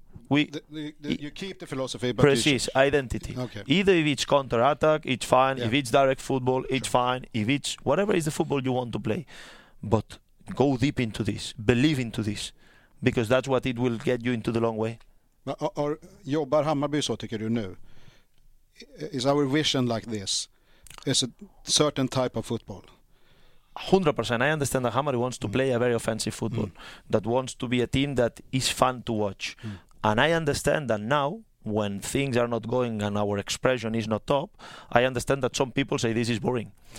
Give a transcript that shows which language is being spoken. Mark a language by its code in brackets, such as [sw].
[en] You keep the philosophy, but precise identity. Okay. Either if it's counter-attack, it's fine. Yeah. If it's direct football, it's fine. If it's whatever is the football you want to play. But go deep into this. Believe into this. Because that's what it will get you into the long way. [sv] Or jobbar Hammarby så, tycker du nu? [en] Is our vision like this? Is a certain type of football? 100%. I understand that Hammarby wants to play a very offensive football. Mm. That wants to be a team that is fun to watch. Mm. And I understand that now, when things are not going and our expression is not top, I understand that some people say this is boring.